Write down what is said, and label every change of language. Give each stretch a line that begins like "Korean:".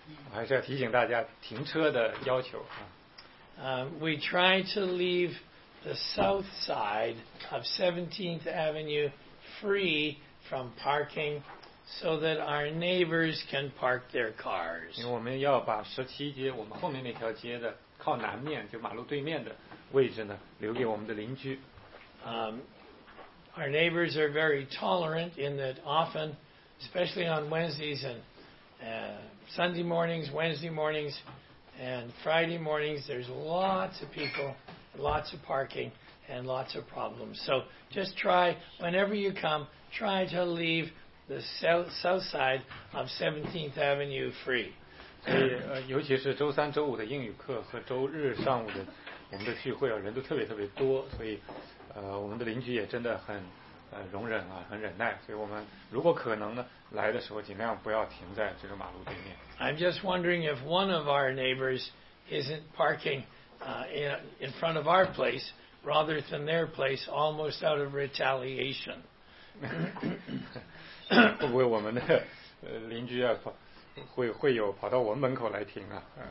Chinese: 我还是要提醒大家停车的要求。
English: We try to leave the south side of 17th Avenue free from parking so that our neighbors can park their cars.
Chinese: 因为我们要把17街，我们后面那条街的靠南面，就马路对面的位置呢，留给我们的邻居。
English: Our neighbors are very tolerant in that often, especially on Wednesdays and Sunday mornings, Wednesday mornings, and Friday mornings, there's lots of people, lots of parking, and lots of problems. So just try, whenever you come, try to leave the south side of 17th Avenue free.
Chinese: 所以尤其是周三周五的英语课和周日上午的我们的聚会啊，人都特别特别多，所以我们的邻居也真的很容忍啊，很忍耐，所以我们如果可能呢，来的时候尽量不要停在这个马路对面。
English: I'm just wondering if one of our neighbors isn't parking in front of our place rather than their place almost out of retaliation.
Chinese: 会不会我们的邻居啊会有跑到我们门口来停啊？